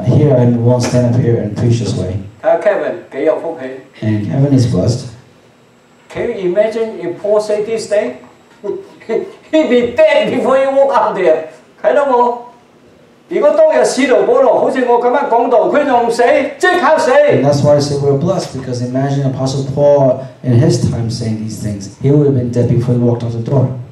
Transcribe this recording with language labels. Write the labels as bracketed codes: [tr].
[en] here I won't stand up here and preach this way. [yue] 睇下 Kevin 幾有福氣。 [en] And Kevin is blessed. Can you imagine if Paul say this thing? He'd be dead before he walk out there. [yue] 睇到我，如果當日使徒保羅好似我咁樣講道，佢仲死，即刻死。 [en] And that's why I say we're blessed, because imagine Apostle Paul in his time saying these things, he would have been dead before he walked out the door.